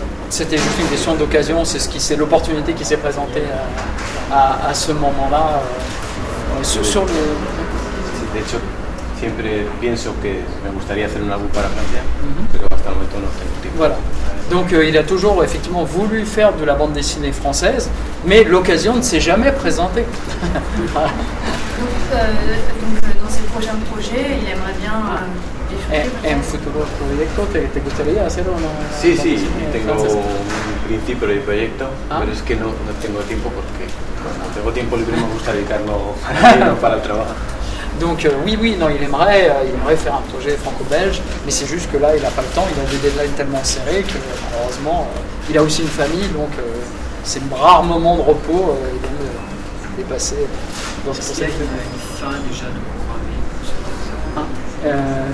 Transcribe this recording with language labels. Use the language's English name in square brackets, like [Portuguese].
[French] C'était juste une question d'occasion, c'est l'opportunité qui s'est présentée à ce moment-là. [Spanish] De hecho, siempre pienso que me gustaría hacer un álbum para Francia, pero hasta el momento no tengo tiempo. [French] Voilà. Donc il a toujours effectivement voulu faire de la bande dessinée française, mais l'occasion ne s'est jamais présentée. Dans ses prochains projets, il aimerait bien [Spanish] échanger. En futuro proyecto, ¿te gustaría hacer una? Sí, sí, tengo un principio de proyecto, pero es que no tengo tiempo porque cuando tengo tiempo libre me gusta dedicarlo para el trabajo. [French] Donc oui, il aimerait faire un projet franco-belge, mais c'est juste que là, il n'a pas le temps, il a des deadlines tellement serrés que malheureusement, il a aussi une famille, donc c'est un rare moment de repos, il vient de dépasser dans ce processus. Est-ce qu'il y a une fin déjà de pour un vie